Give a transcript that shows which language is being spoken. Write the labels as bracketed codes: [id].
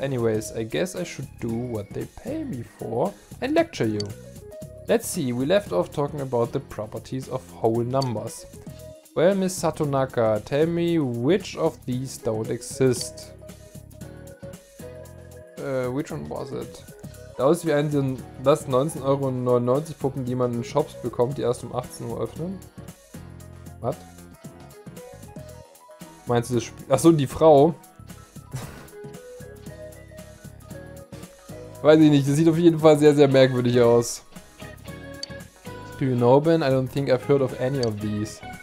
[en] Anyways, I guess I should do what they pay me for and lecture you. Let's see, we left off talking about the properties of whole numbers. Well, Miss Satonaka, tell me which of these don't exist. Which one was it? [de] Da ist wie ein das 19,99 € Puppen, die man in Shops bekommt, die erst um 18 Uhr öffnen. Was? Meinst du das Spiel? Achso, die Frau. Weiß ich nicht, das sieht auf jeden Fall sehr, sehr merkwürdig aus. [en] Do you know, Ben? I don't think I've heard of any of these.